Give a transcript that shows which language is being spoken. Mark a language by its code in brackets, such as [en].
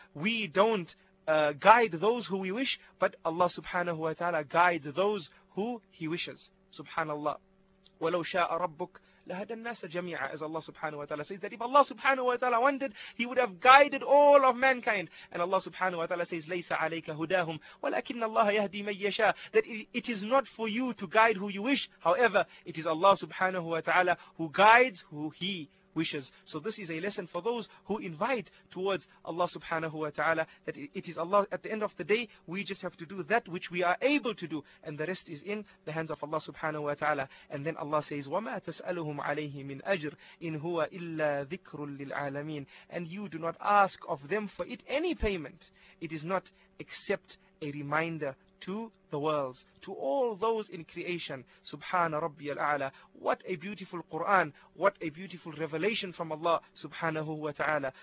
[en] We don't guide those who we wish, but Allah subhanahu wa ta'ala guides those who He wishes. [ar] Subhanallah. وَلَوْ شَاءَ رَبُّكَ لَهَدَى النَّاسَ جَمِيعًا. [en] As Allah subhanahu wa ta'ala says, that if Allah subhanahu wa ta'ala wanted, He would have guided all of mankind. And Allah subhanahu wa ta'ala says, [ar] لَيْسَ عَلَيْكَ هُدَاهُمْ وَلَكِنَّ اللَّهَ يَهْدِي مَنْ يَشَاءَ. [en] That it is not for you to guide who you wish, however, it is Allah subhanahu wa ta'ala who guides who He wishes. So this is a lesson for those who invite towards Allah subhanahu wa ta'ala, that it is Allah. At the end of the day, we just have to do that which we are able to do, and the rest is in the hands of Allah subhanahu wa ta'ala. And then Allah says, [ar] وَمَا تَسْأَلُهُمْ عَلَيْهِ مِنْ أَجْرٍ إِنْ هُوَ إِلَّا ذِكْرٌ لِلْعَالَمِينَ. [en] And you do not ask of them for it any payment. It is not except a reminder to the worlds, to all those in creation. [ar] Subhana Rabbi al-A'la. [en] What a beautiful Quran, what a beautiful revelation from Allah subhanahu wa ta'ala.